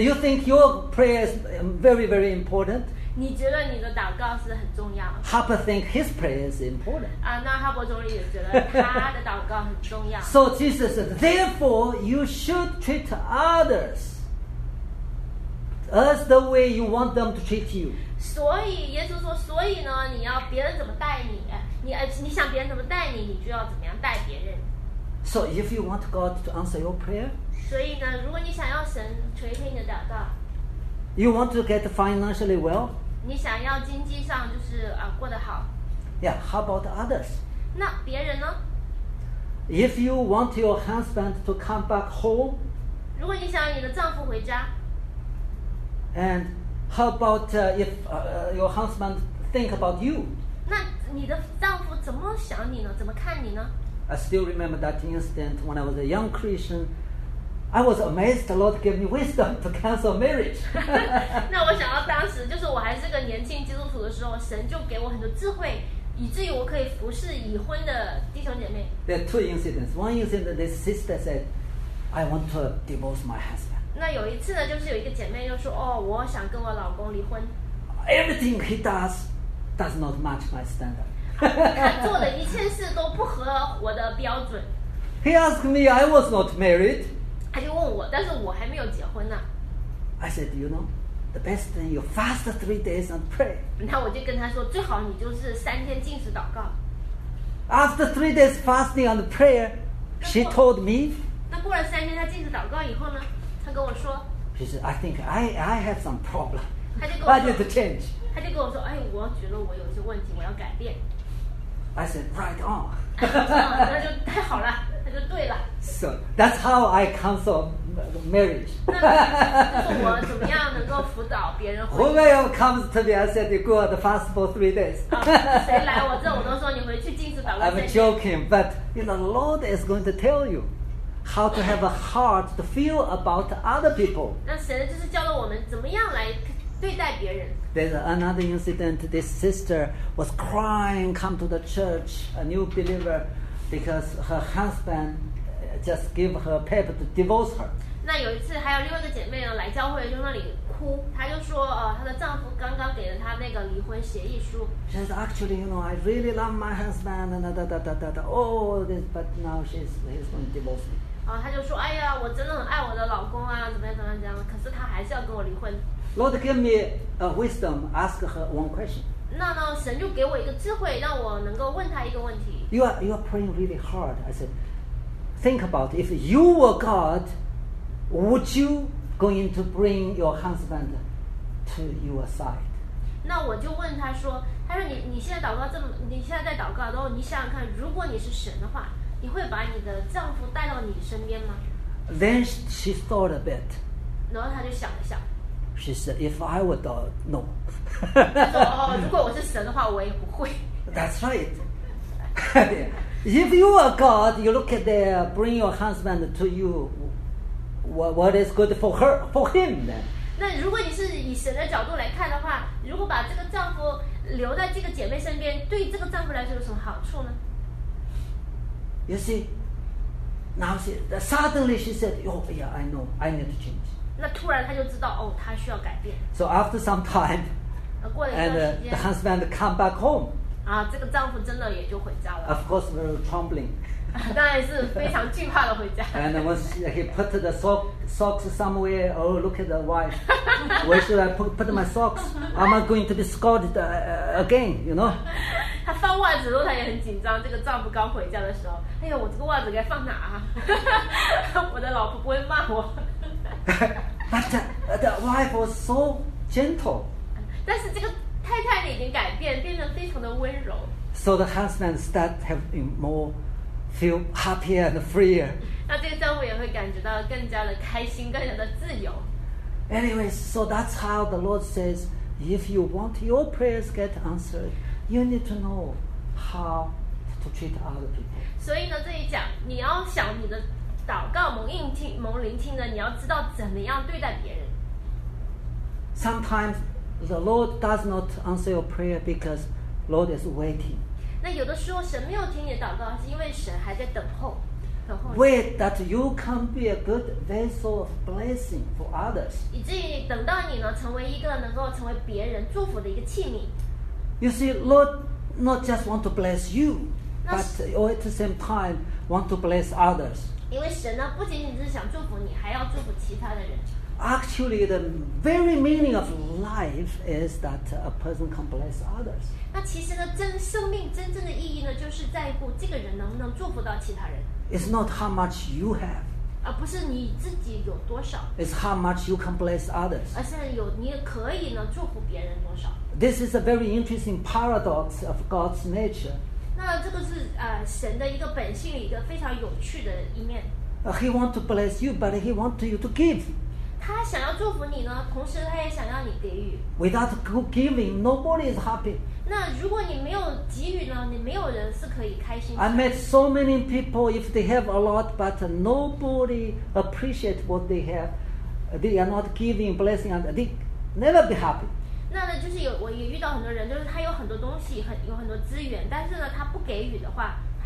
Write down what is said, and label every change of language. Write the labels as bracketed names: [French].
[English] You think your prayer is very, very important? [Chinese] 你觉得你的祷告是很重要的。 [English] Harper think his prayer is important. [Chinese] 那哈伯总理也觉得他的祷告很重要。 [English] So Jesus said, therefore you should treat others as the way you want them to treat you. [Chinese] 所以耶稣说，所以呢，你要别人怎么待你，你想别人怎么待你，你就要怎么样待别人。 [English] So if you want God to answer your prayer, [Chinese] 所以呢，如果你想要神垂听你的祷告。 [English] You want to get financially well? [Chinese] 你想要经济上就是过得好。 [English] Yeah, how about others? [Chinese] 那别人呢？ [English] If you want your husband to come back home? [Chinese] 如果你想要你的丈夫回家。 [English] And how about if your husband think about you? [Chinese] 那你的丈夫怎么想你呢？怎么看你呢？ [English] I still remember that incident when I was a young Christian. I was amazed the Lord gave me wisdom to cancel marriage. [Chinese] 那我想到当时就是我还是个年轻基督徒的时候，神就给我很多智慧，以至于我可以服侍已婚的弟兄姐妹。 [English] There are two incidents. One incident, this sister said, I want to divorce my husband. [Chinese] 那有一次呢，就是有一个姐妹就说，哦，我想跟我老公离婚。 [English] Everything he does does not match my standard. [Chinese] 他做的一切事都不合我的标准。 [English] He asked me, I was not married. [Chinese] 他就问我，但是我还没有结婚呢。 [English] I said, you know, the best thing, you fast 3 days and pray. [Chinese] 那我就跟他说，最好你就是三天禁食祷告。 [English] After 3 days fasting and prayer, she told me. [Chinese] 那过了三天，他禁食祷告以后呢？他跟我说。 [English] She said, I think I have some problem. [Chinese] 他就跟我说。 [English] I need to change. [Chinese] 他就跟我说，哎，我觉得我有些问题，我要改变。 [English] I said, right on. [Chinese] 那就太好了，那就对了。 [English] So that's how I counsel marriage. [Chinese] 那就是我怎么样能够辅导别人婚姻。 [English] Whoever comes to me, I said, you go and fast for 3 days. [Chinese] 谁来我这，我都说你回去禁食祷告。 [English] I'm joking, but you know, the Lord is going to tell you how to have a heart to feel about other people. [Chinese] 那神就是教了我们怎么样来对待别人。 [English] There's another incident. This sister was crying, come to the church, a new believer, because her husband just gave her paper to divorce her. [Chinese] 那有一次还有另外一个姐妹呢，来教会就那里哭，她就说，她的丈夫刚刚给了她那个离婚协议书。 [English] She says, actually, you know, I really love my husband, and da da da da da. Oh, this, but now he's going to divorce me. [Chinese] 她就说，哎呀，我真的很爱我的老公啊，怎么样，可是他还是要跟我离婚。 [English] Lord, give me a wisdom. Ask her one question. [Chinese] 那呢，神就给我一个智慧，让我能够问他一个问题。 [English] You are praying really hard. I said, think about it. If you were God, would you going to bring your husband to your side? [Chinese] 那我就问他说，他说你现在祷告这么，你现在在祷告，然后你想想看，如果你是神的话，你会把你的丈夫带到你身边吗？ [English] Then she thought a bit. [Chinese] 然后他就想了想。 [English] She said, if I were God, no. [Chinese] 如果我是神的话，我也不会。 [English] That's right. If you are God, you look at there, bring your husband to you. What is good for him then? [Chinese] 那如果你是以神的角度来看的话，如果把这个丈夫留在这个姐妹身边，对这个丈夫来说有什么好处呢？ [English] You see, now she, suddenly she said, oh yeah, I know, I need to change. [Chinese] 那突然他就知道，哦，他需要改变。 [English] So after some time, [Chinese] 过了一段时间 [English] and the husband come back home. [Chinese] 啊，这个丈夫真的也就回家了。 [English] Of course, very trembling. [Chinese] 当然是非常惧怕的回家。 [English] And once he put the socks somewhere, oh, look at the wife. Where should I put my socks? Am I going to be scolded again? You know? [Chinese] 他放袜子的时候他也很紧张。这个丈夫刚回家的时候，哎呀，我这个袜子该放哪啊？我的老婆不会骂我。 [English] But the wife was so gentle. [Chinese] 但是这个太太已经改变，变得非常的温柔。 [English] So the husband start having more feel happier and freer. [Chinese] 那这个丈夫也会感觉到更加的开心，更加的自由。 [English] Anyway, so that's how the Lord says, if you want your prayers get answered, you need to know how to treat other people. [Chinese] 所以呢，这里讲你要想你的。祷告蒙应听蒙聆听的，你要知道怎么样对待别人。 [English] Sometimes the Lord does not answer your prayer because the Lord is waiting. [Chinese] 那有的时候神没有听你的祷告，是因为神还在等候。 [English] Wait that you can be a good vessel of blessing for others. [Chinese] 以至于等到你呢，成为一个能够成为别人祝福的一个器皿。 [English] You see, Lord not just want to bless you, but at the same time want to bless others. [Chinese] 因为神呢，不仅仅是想祝福你，还要祝福其他的人。 [English] Actually, the very meaning of life is that a person can bless others. [Chinese] 那其实呢，生命真正的意义呢，就是在乎这个人能不能祝福到其他人。 [English] It's not how much you have. [Chinese] 而不是你自己有多少。 [English] It's how much you can bless others. [Chinese] 而是你可以呢祝福别人多少。 [English] This is a very interesting paradox of God's nature. [Chinese] 那这个是神的一个本性，一个非常有趣的一面。 [English] He want to bless you, but he want you to give. [Chinese] 他想要祝福你呢，同时他也想要你给予。 [English] Without giving, nobody is happy. [Chinese] 那如果你没有给予呢，你没有人是可以开心。 [English] I met so many people. If they have a lot, but nobody appreciate what they have, they are not giving blessing, and they never be happy. [Chinese] 那呢，就是有我也遇到很多人，就是他有很多东西，有很多资源，但是呢，他不给予的话，